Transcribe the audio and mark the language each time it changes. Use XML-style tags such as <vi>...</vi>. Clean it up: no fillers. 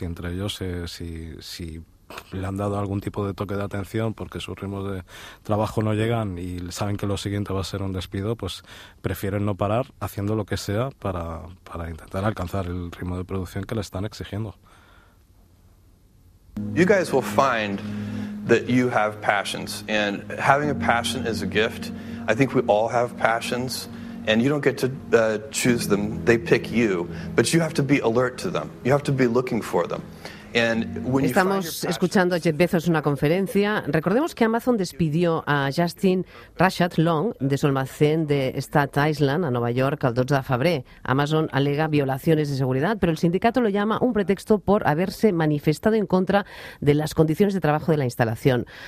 <es>Y entre ellos, si le han dado algún tipo de toque de atención porque sus ritmos de trabajo no llegan y saben que lo siguiente va a ser un despido, pues prefieren no parar haciendo lo que sea para intentar alcanzar el ritmo de producción que le están exigiendo.</es> <en>You guys will find that you have passions, and having a passion is a gift. I think we all have passions, and you don't get to choose them, they pick you, but you have to be alert to them, you have to be looking for them.</en> <es>Estamos escuchando a Jeff Bezos en una conferencia. Recordemos que Amazon despidió a Justin Rashad Long de su almacén de Staten Island, a Nueva York, el 12 de febrer. Amazon alega violaciones de seguridad, pero el sindicato lo llama un pretexto por haberse manifestado en contra de las condiciones de trabajo de la instalación.</es>